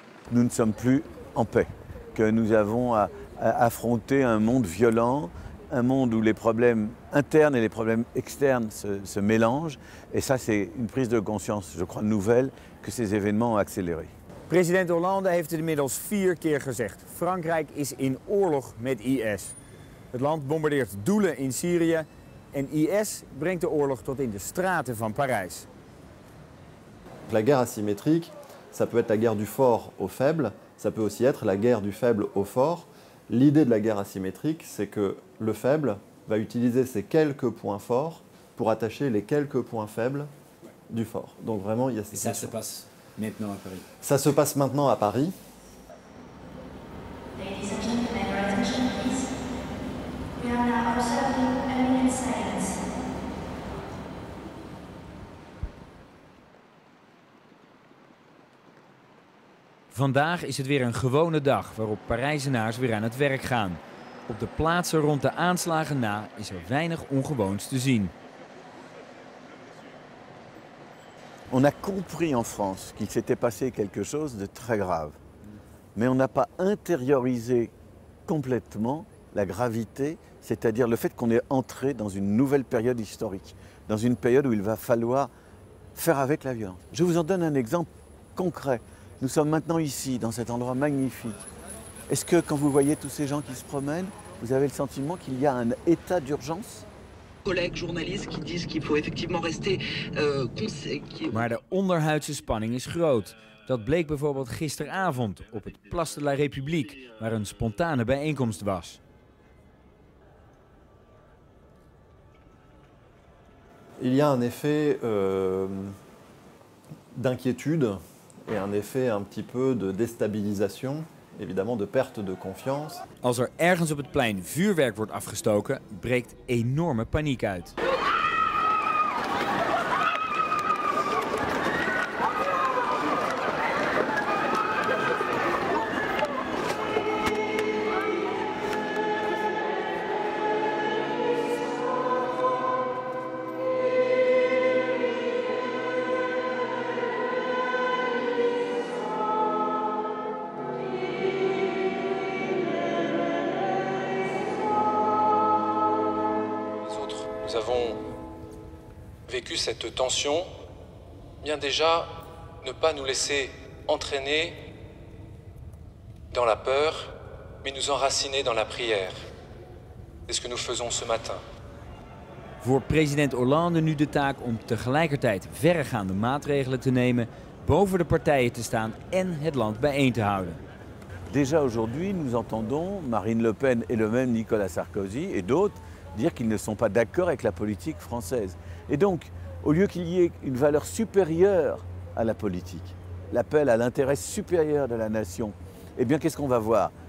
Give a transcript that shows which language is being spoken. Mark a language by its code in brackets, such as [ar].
[fr] Nous ne sommes plus en paix, que nous avons à affronter un monde violent, un monde où les problèmes internes et les problèmes externes se mélangent. Et ça, c'est une prise de conscience, je crois, nouvelle, que ces événements ont accéléré. [nl] President Hollande heeft het inmiddels 4 keer gezegd. Frankrijk is in oorlog met IS. Het land bombardeert doelen in Syrië en IS brengt de oorlog tot in de straten van Parijs. [fr] La guerre asymétrique, ça peut être la guerre du fort au faible, ça peut aussi être la guerre du faible au fort. L'idée de la guerre asymétrique, c'est que le faible va utiliser ses quelques points forts pour attacher les quelques points faibles du fort. Donc vraiment, il y a cette Et ça question. Se passe maintenant à Paris. Ça se passe maintenant à Paris. [nl] Vandaag is het weer een gewone dag waarop Parijzenaars weer aan het werk gaan. Op de plaatsen rond de aanslagen na is er weinig ongewoons te zien. [fr] On a compris en France qu'il s'était passé quelque chose de très grave. Mais on n'a pas intériorisé complètement la gravité, c'est-à-dire le fait qu'on est entré dans une nouvelle période historique, dans une période où il va falloir faire avec la violence. Je vous en donne un exemple concret. Nous sommes maintenant ici, dans cet endroit magnifique. Est-ce que quand vous voyez tous ces gens qui se promènent, vous avez le sentiment qu'il y a un état d'urgence ? Collègues journalistes qui disent qu'il faut effectivement rester... [nl] Maar de onderhuidse spanning is groot. Dat bleek bijvoorbeeld gisteravond op het Place de la République, waar een spontane bijeenkomst was. [fr] Il y a un effet d'inquiétude. Et un effet un petit peu de déstabilisation, évidemment de perte de confiance. [nl] Als er ergens op het plein vuurwerk wordt afgestoken, breekt enorme paniek uit. [fr] Cette tension, bien déjà ne pas nous laisser entraîner dans la peur, mais nous enraciner dans la prière. C'est ce que nous faisons ce matin. [nl] Voor president Hollande nu de taak om tegelijkertijd verregaande maatregelen te nemen, boven de partijen te staan en het land bijeen te houden. [fr] Déjà aujourd'hui, nous entendons Marine Le Pen et le même Nicolas Sarkozy et d'autres dire qu'ils ne sont pas d'accord avec la politique française. Et donc au lieu qu'il y ait une valeur supérieure à la politique, l'appel à l'intérêt supérieur de la nation, eh bien qu'est-ce qu'on va voir?